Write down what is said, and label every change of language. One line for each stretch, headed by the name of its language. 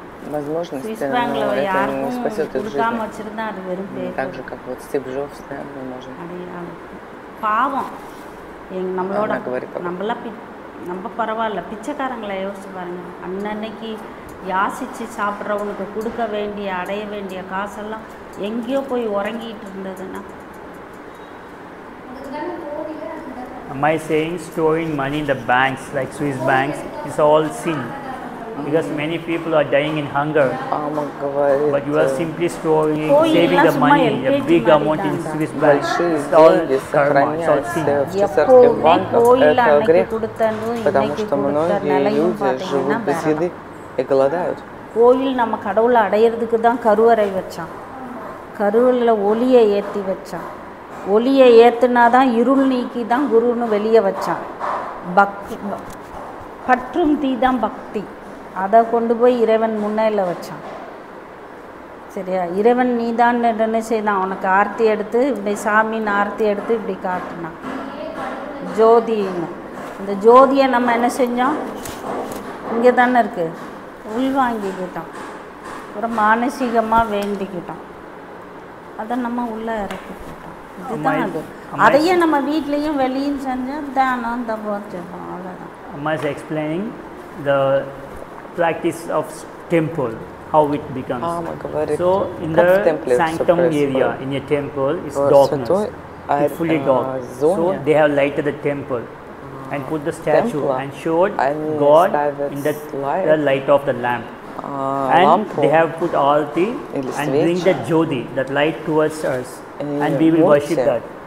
Russian: Возможности, но это не спасет их жизни. Так же, как вот Стив Джобс, да, мы можем. Она говорит об этом.
Tamil: நம்ம பரவாயில்ல பிச்சைக்காரங்களை யோசிச்சு பாருங்க அன்னன்னைக்கு யாசிச்சு சாப்பிட்றவனுக்கு கொடுக்க வேண்டிய அடைய வேண்டிய காசெல்லாம் எங்கேயோ போய் உறங்கிட்டு இருந்ததுன்னா
English: Am I saying storing money in the banks like Swiss banks is all sin because many people are dying in hunger but you are simply storing saving the money a big amount in Swiss bank it's all karma it's all sin
Russian: это грех потому что многие люди живут без еды и голодают
Tamil: கோயில் நம்ம கடவுள அடையிறதுக்கு தான் கருவறை வச்சான் கருவல்ல ஒளியை ஏத்தி வச்சான் ஒளியை ஏத்துனா தான் இருள் நீக்கி தான் குருன்னு வெளிய வச்சான் பக்தி பற்றும் தீ தான் பக்தி அதை கொண்டு போய் இறைவன் முன்னையில் வச்சான் சரியா இறைவன் நீதான் செய்தான் உனக்கு ஆர்த்தி எடுத்து இப்படி சாமின்னு ஆர்த்தி எடுத்து இப்படி காட்டினான் ஜோதினு அந்த ஜோதியை நம்ம என்ன செஞ்சோம் இங்கே தானே இருக்குது உள்வாங்கிக்கிட்டோம் அப்புறம் மானசீகமாக வேண்டிக்கிட்டோம் அதை நம்ம உள்ளே இறக்கிக்கிட்டோம் இதுதான் அது அதையே நம்ம வீட்லேயும் வெளியும் செஞ்சால் தானம் தபோ செய்வோம் அவ்வளோதான்
English: அம்மா is explaining the practice of temple, how it becomes. So in the sanctum area, in a temple, it's darkness, it's fully dark. So they have lighted the temple and put the statue and showed God in the light of the lamp. And they have put aarti and bring the jyoti, that light towards us and we will worship that.